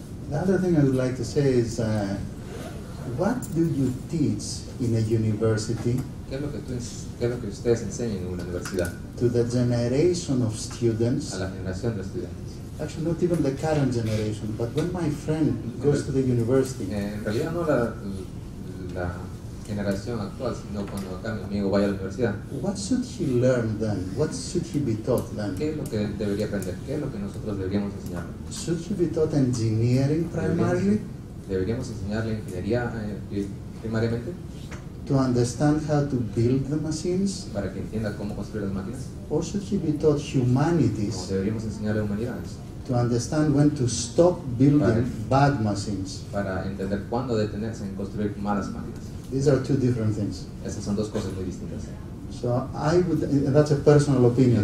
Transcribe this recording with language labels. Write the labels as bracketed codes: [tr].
[en] The other thing I would like to say is, what do you teach in a university? [es] ¿Qué es lo que ustedes enseñan en una universidad? [en] To the generation of students. [es] A la generación de estudiantes. [en] Actually, not even the current generation, but when my friend goes to the university. [es] En realidad no la generación actual, sino cuando acá mi amigo vaya a la universidad. [en] What should he learn then? What should he be taught then? [es] ¿Qué es lo que debería aprender? ¿Qué es lo que nosotros deberíamos enseñarle? [en] Should he be taught engineering primarily? [es] ¿Deberíamos enseñarle ingeniería primariamente? [en] To understand how to build the machines? [es] Para que entienda cómo construir las máquinas. [en] Or should he be taught humanities? [es] ¿O deberíamos enseñarle humanidades? [en] To understand when to stop building bad machines. [es] Para entender cuándo detenerse en construir malas máquinas. [en] These are two different things. [es] Esas son dos cosas muy distintas. [en] So I would, and that's a personal opinion.